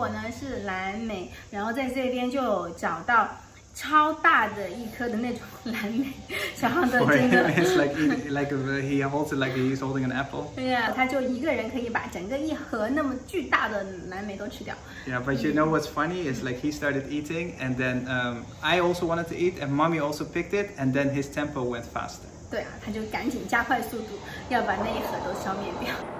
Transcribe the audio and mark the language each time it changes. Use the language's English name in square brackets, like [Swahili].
[Chinese] 是蓝莓，然后在这边就找到超大的一颗的那种蓝莓，小胖的真的 [English] it's like he holds it like he's holding an apple. [Chinese] Yeah, 他就一个人可以把整个一盒那么巨大的蓝莓都吃掉。 [English] Yeah, but you know what's funny is like he started eating and then I also wanted to eat and mommy also picked it and then his tempo went faster. [Chinese] 对啊，他就赶紧加快速度，要把那一盒都消灭掉。